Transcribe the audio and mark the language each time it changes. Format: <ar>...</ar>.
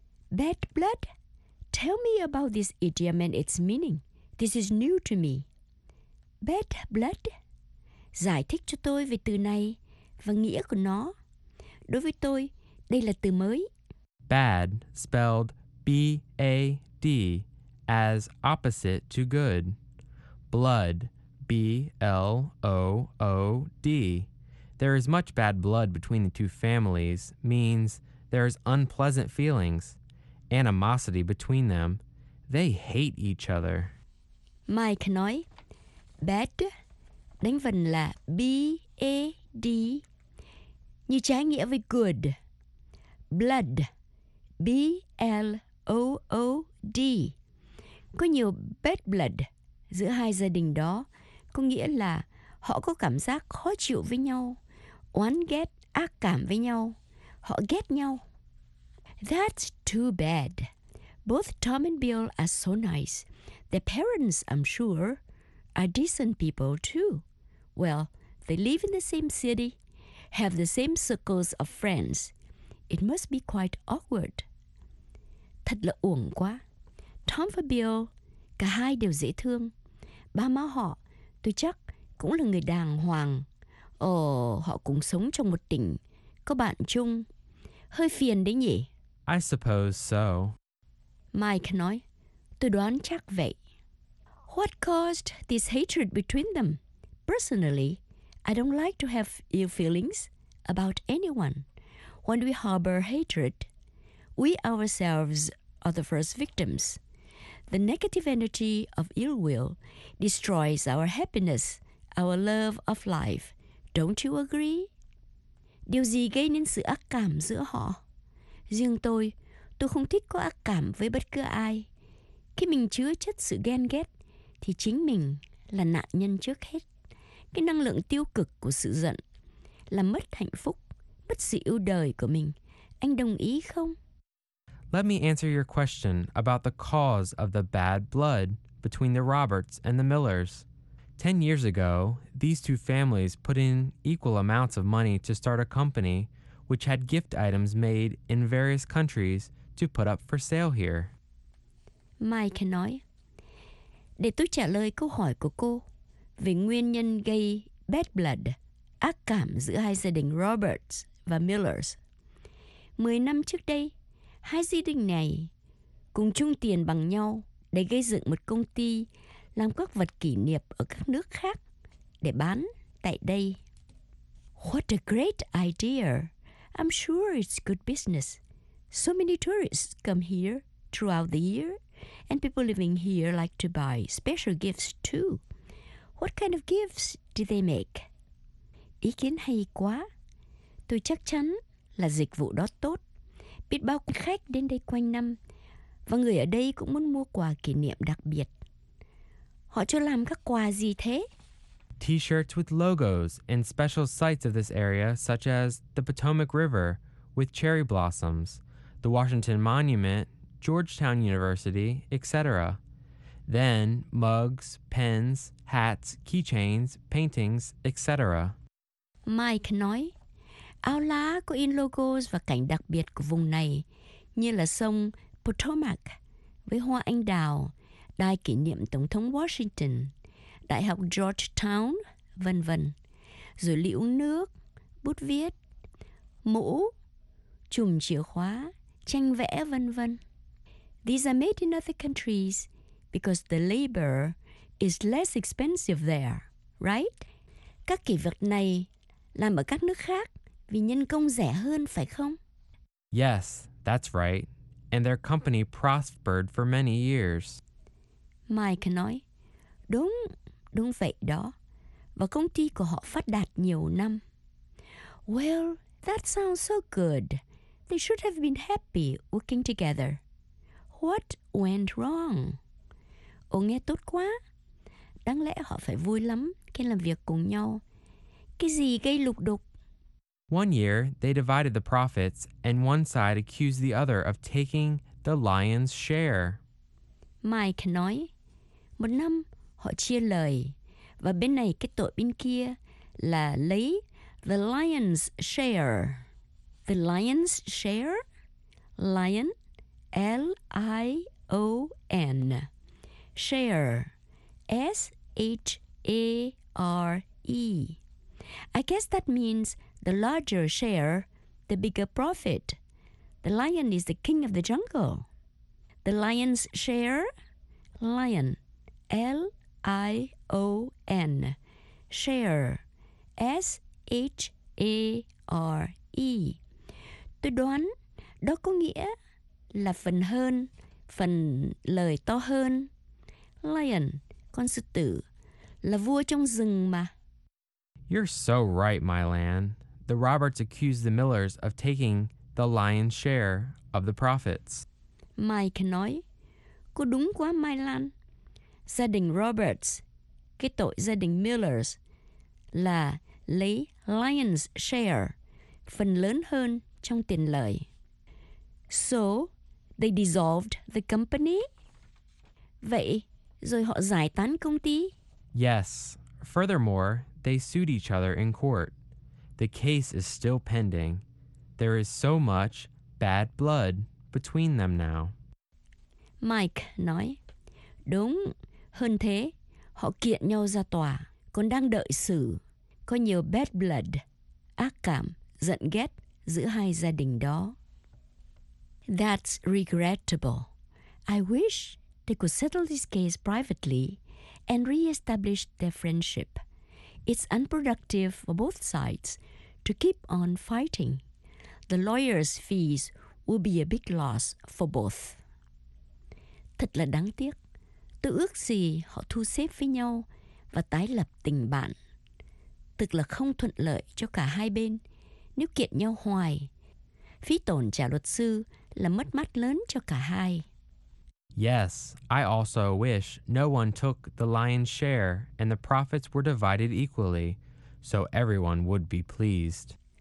<en>Bad blood? Tell me about this idiom and its meaning. This is new to me. Bad blood?</en> <vi>Giải thích cho tôi về từ này và nghĩa của nó. Đối với tôi, đây là từ mới.</vi> <en>Bad, spelled B-A-D, as opposite to good. Blood, B-L-O-O-D. There is much bad blood between the two families means there is unpleasant feelings, animosity between them. They hate each other.</en> <vi>Mike nói, bad, đánh vần là B-A-D, như trái nghĩa với good.</vi> <en>Blood, B-L-O-O-D.</en> <vi>Có nhiều bad blood giữa hai gia đình đó, có nghĩa là họ có cảm giác khó chịu với nhau, oán ghét, ác cảm với nhau, họ ghét nhau.</vi> <en>That's too bad. Both Tom and Bill are so nice. Their parents, I'm sure, are decent people too. Well, they live in the same city, have the same circles of friends. It must be quite awkward.</en> <vi>Thật là uổng quá. Tom và Bill, cả hai đều dễ thương. Ba má họ, tôi chắc, cũng là người đàng hoàng. Ồ, họ cũng sống trong một tỉnh, có bạn chung. Hơi phiền đấy nhỉ?</vi> <en>I suppose so.</en> <vi>Mike nói, tôi đoán chắc vậy.</vi> <en>What caused this hatred between them? Personally, I don't like to have ill feelings about anyone. When we harbor hatred, we ourselves are the first victims. The negative energy of ill will destroys our happiness, our love of life. Don't you agree?</en> <vi>Điều gì gây nên sự ác cảm giữa họ? Riêng tôi không thích có ác cảm với bất cứ ai. Khi mình chứa chất sự ghen ghét, thì chính mình là nạn nhân trước hết. Cái năng lượng tiêu cực của sự giận là mất hạnh phúc, mất sự yêu đời của mình. Anh đồng ý không?</vi> <en>Let me answer your question about the cause of the bad blood between the Roberts and the Millers. 10 years ago, these two families put in equal amounts of money to start a company which had gift items made in various countries to put up for sale here.</en> <vi>Mike nói, để tôi trả lời câu hỏi của cô về nguyên nhân gây bad blood, ác cảm giữa hai gia đình Roberts và Millers. 10 năm trước đây, hai gia đình này cùng chung tiền bằng nhau để gây dựng một công ty làm các vật kỷ niệm ở các nước khác để bán tại đây.</vi> <en>What a great idea. I'm sure it's good business. So many tourists come here throughout the year, and people living here like to buy special gifts too. What kind of gifts do they make?</en> <vi>Ý kiến hay quá. Tôi chắc chắn là dịch vụ đó tốt. Biết bao khách đến đây quanh năm, và người ở đây cũng muốn mua quà kỷ niệm đặc biệt. Họ cho làm các quà gì thế?</vi> <en>T-shirts with logos and special sites of this area, such as the Potomac River with cherry blossoms, the Washington Monument, Georgetown University, etc. Then mugs, pens, hats, keychains, paintings, etc.</en> <vi>Mike nói, áo lá có in logos và cảnh đặc biệt của vùng này, như là sông Potomac với hoa anh đào, đài kỷ niệm Tổng thống Washington, Đại học Georgetown, vân vân. Rồi lũ nước, bút viết, mũ, chùm chìa khóa, tranh vẽ, vân vân.</vi> <en>These are made in other countries because the labor is less expensive there, right?</en> <vi>Các kỷ vật này làm ở các nước khác vì nhân công rẻ hơn, phải không?</vi> <en>Yes, that's right. And their company prospered for many years.</en> <vi>Mike nói, đúng. Đúng vậy đó. Và công ty của họ phát đạt nhiều năm.</vi> <en>Well, that sounds so good. They should have been happy working together. What went wrong?</en> <vi>Ồ, nghe tốt quá. Đáng lẽ họ phải vui lắm khi làm việc cùng nhau. Cái gì gây lục đục?</vi> <en>One year, they divided the profits and one side accused the other of taking the lion's share.</en> <vi>Mike nói, một năm họ chia lời, và bên này cái tội bên kia là lấy the lion's share.</vi> <en>The lion's share? Lion, L-I-O-N. Share, S-H-A-R-E. I guess that means the larger share, the bigger profit. The lion is the king of the jungle. The lion's share? Lion, L I-O-N, share, S-H-A-R-E.</en> <vi>Tôi đoán đó có nghĩa là phần hơn, phần lời to hơn. Lion, con sư tử, là vua trong rừng mà.</vi> <en>You're so right, Mylan. The Roberts accused the Millers of taking the lion's share of the profits.</en> <vi>Mike nói, cô đúng quá, Mylan. Gia đình Roberts, cái tội gia đình Millers là lấy lion's share, phần lớn hơn trong tiền lời.</vi> <en>So, they dissolved the company?</en> <vi>Vậy, rồi họ giải tán công ty?</vi> <en>Yes. Furthermore, they sued each other in court. The case is still pending. There is so much bad blood between them now.</en> <vi>Mike nói, đúng. Hơn thế, họ kiện nhau ra tòa, còn đang đợi xử. Có nhiều bad blood, ác cảm, giận ghét giữa hai gia đình đó. That's regrettable. I wish they could settle this case privately and re-establish their friendship. It's unproductive for both sides to keep on fighting. The lawyer's fees will be a big loss for both. Thật là đáng tiếc. Tôi ước gì họ thu xếp với nhau và tái lập tình bạn. Thực là không thuận lợi cho cả hai bên nếu kiện nhau hoài. Phí tổn trả luật sư là mất mát lớn cho cả hai.</vi> <en>Yes, I also wish no one took the lion's share and the profits were divided equally, so everyone would be pleased.</en>